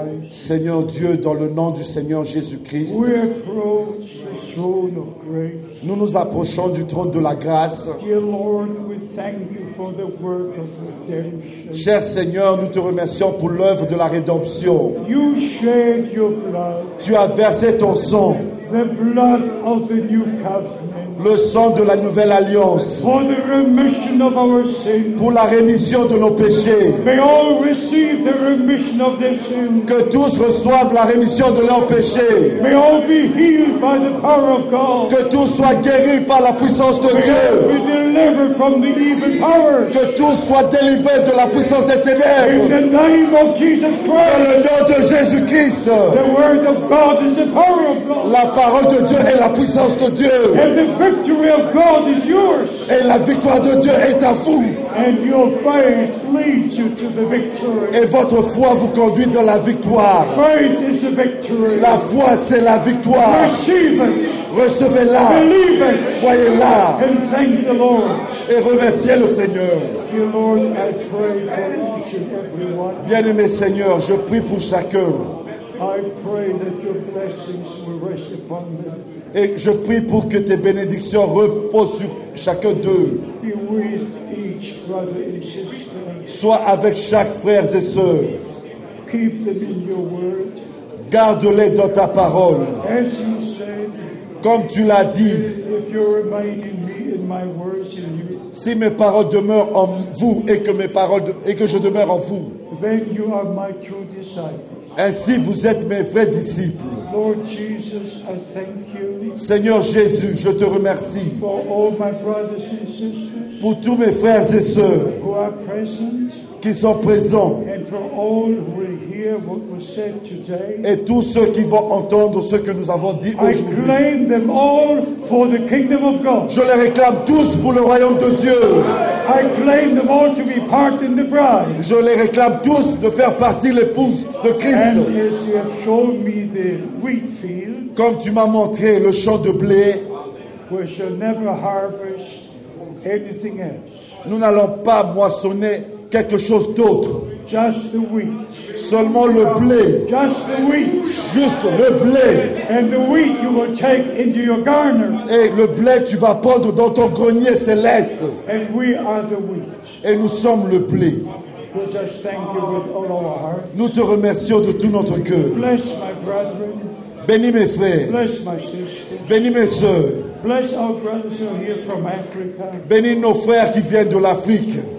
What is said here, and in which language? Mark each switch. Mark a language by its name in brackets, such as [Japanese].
[French] Seigneur Dieu, dans le nom du Seigneur Jésus-Christ, [English] we approach the throne of grace. [French] Nous nous approchons du trône de la grâce. [English] Dear Lord, we thank you for the work of redemption. [French] Cher Seigneur, nous te remercions pour l'œuvre de la rédemption. [English] You shed your blood. [French] Tu as versé ton sang. [English] The blood of the new covenant. [French] le sang de la nouvelle alliance [English] for the remission of our sins. [French] Pour la rémission de nos péchés. [English] May all receive the remission of their sins. [French] Que tous reçoivent la rémission de leurs péchés. May all be healed by the power of God. Que tous soient guéris par la puissance de [English] May [French] Dieu. [English] All be delivered from the evil powers. [French] Que tous soient délivrés de la puissance des ténèbres. [English] In the name of Jesus Christ. [French] Dans le nom de Jésus Christ. [English] The word of God is the power of God. [French] La parole de Dieu est la puissance de Dieu. [English] And the victory of God is yours. [French] Et la victoire de Dieu est à vous. [English] And your faith leads you to the victory. [French] Et votre foi vous conduit dans la victoire. [English] Faith is the victory. [French] La foi c'est la victoire. [English] Receive it. [French] Recevez-la. [English] Believe it. [French] Croyez-la. [English] And thank the Lord. [French] Et remerciez le Seigneur. [English] Dear Lord, I pray for each and everyone. [French] Bien-aimé Seigneur, je prie pour chacun. [English] I pray that your blessings will rest upon them. [French] Et je prie pour que tes bénédictions reposent sur chacun d'eux. [English] Be with each brother and sister. [French] Sois avec chaque frère et sœur. [English] Keep them in your word. [French] Garde-les dans ta parole. [English] As you said, [French] comme tu l'as dit. [English] If you remain in me and my words in you. [French] Si mes paroles demeurent en vous et que mes paroles et que je demeure en vous. [English] Then you are my true disciples. [French] Ainsi, vous êtes mes vrais disciples. [English] Lord Jesus, I thank you. [French] Seigneur Jésus, je te remercie [English] for all my brothers and sisters, [French] pour tous mes frères et sœurs [English] who are present, [French] qui sont présents [English] and for all who will hear what was said today, [French] et tous ceux qui vont entendre ce que nous avons dit aujourd'hui. [English] I claim them all for the kingdom of God. [French] Je les réclame tous pour le royaume de Dieu. [English] I claim them all to be part in the bride. [French] Je les réclame tous de faire partie l'épouse de Christ. [English] And as you have shown me the wheat field, [French] comme tu m'as montré le champ de blé, [English] we shall never harvest anything else. [French] Nous n'allons pas moissonner quelque chose d'autre. [English] Just the wheat. [French] Seulement le blé. [English] Just the wheat. [French] Juste le blé. [English] And the wheat you will take into your garner. [French] Et le blé tu vas prendre dans ton grenier céleste. [English] And we are the wheat. [French] Et nous sommes le blé. [English] We just thank you with all our heart. [French] Nous te remercions de tout notre cœur. [English] Bless my brethren. [French] Bénis mes frères. [English] Bless my sisters. [French] Bénis mes sœurs. [English] Bless our brothers who are here from Africa. [French] Bénis nos frères qui viennent de l'Afrique.